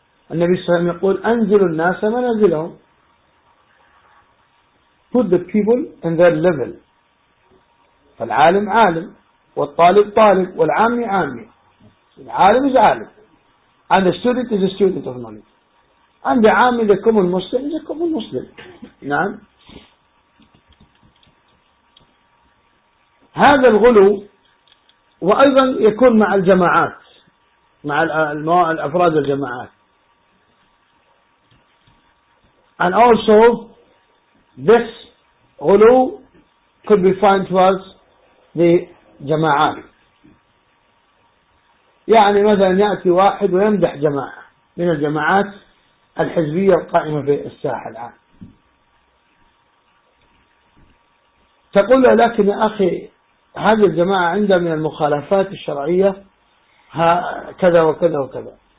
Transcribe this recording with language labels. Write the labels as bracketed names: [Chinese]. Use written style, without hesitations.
[Arabic] النبي صلى الله عليه وسلم يقول أنزل الناس منازلهم. [English] Put the people in their level. [Arabic] فالعالم عالم والطالب طالب والعامي عامي. [English] العالم is عالم and the student is a student of knowledge and the عامي the common Muslim is a common Muslim. [Arabic] نعم. هذا الغلو وأيضا يكون مع الجماعات مع الأفراد الجماعات. [English] And also, this ghulu could be found towards the jama'ah. [Arabic] يعني مثلا يأتي واحد ويمدح جماعة من الجماعات الحزبية القائمة في الساحة الآن. تقول له لكن يا أخي هذه الجماعة عندها من المخالفات الشرعية كذا وكذا وكذا.